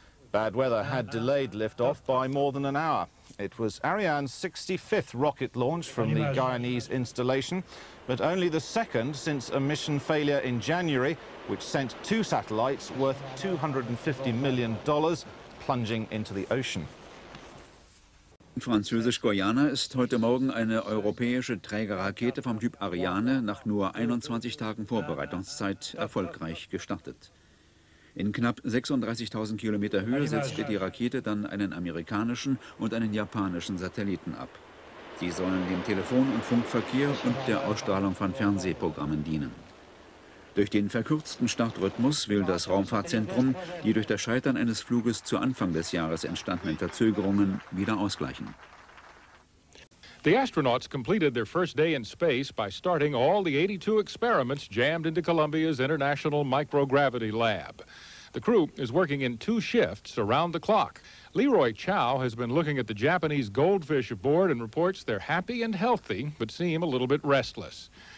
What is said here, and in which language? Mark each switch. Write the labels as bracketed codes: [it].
[en] Bad weather had delayed liftoff by more than an hour. It was Ariane's 65th rocket launch from the Guyanese installation, but only the second since a mission failure in January, which sent two satellites worth $250 million plunging into the ocean. [de] Französisch-Guayana ist heute Morgen eine europäische Trägerrakete vom Typ Ariane nach nur 21 Tagen Vorbereitungszeit erfolgreich gestartet. In knapp 36.000 Kilometer Höhe setzte die Rakete dann einen amerikanischen und einen japanischen Satelliten ab. Die sollen dem Telefon- und Funkverkehr und der Ausstrahlung von Fernsehprogrammen dienen. Durch den verkürzten Startrhythmus will das Raumfahrtzentrum die durch das Scheitern eines Fluges zu Anfang des Jahres entstandenen Verzögerungen wieder ausgleichen. [en] The astronauts completed their first day in space by starting all the 82 experiments jammed into Columbia's International Microgravity Lab. The crew is working in two shifts around the clock. Leroy Chow has been looking at the Japanese goldfish aboard and reports they're happy and healthy, but seem a little bit restless.